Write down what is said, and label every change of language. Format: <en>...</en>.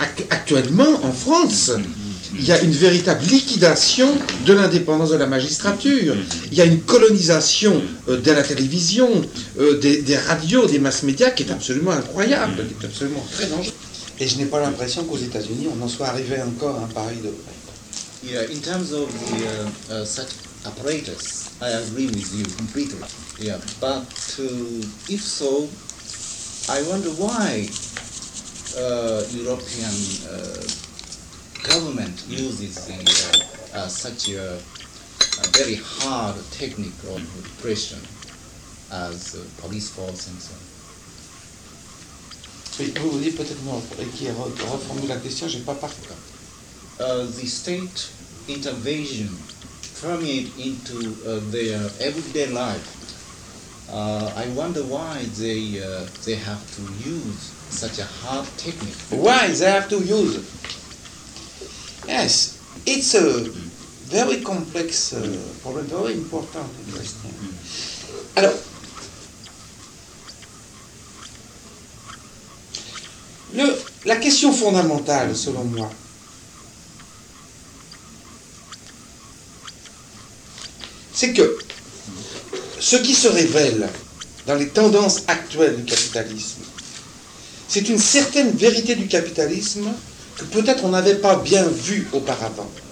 <fr>Actuellement, en France, il y a une véritable liquidation de l'indépendance de la magistrature. Il y a une colonisation de la télévision, des radios, des masses médias, qui est absolument incroyable, qui est absolument très dangereux. Et je n'ai pas l'impression qu'aux États-Unis, on en soit arrivé encore à un pareil degré.</fr> <en>Yeah, in terms of the such apparatus, I agree with you completely. Yeah, but if so, I wonder why European government uses such a a very hard technique on repression, as police force and so on.</en> <fr>Oui, vous vous dites peut-être moi, et qui reformule la question, j'ai pas parlé.</fr> <en>The state intervention permeate into their everyday life. I wonder why they have to use such a hard technique. Why they have to use it? Yes, it's a very complex problem, very important question.</en> <fr>Alors, la question fondamentale, selon moi, c'est que ce qui se révèle dans les tendances actuelles du capitalisme, c'est une certaine vérité du capitalisme que peut-être on n'avait pas bien vue auparavant.</fr>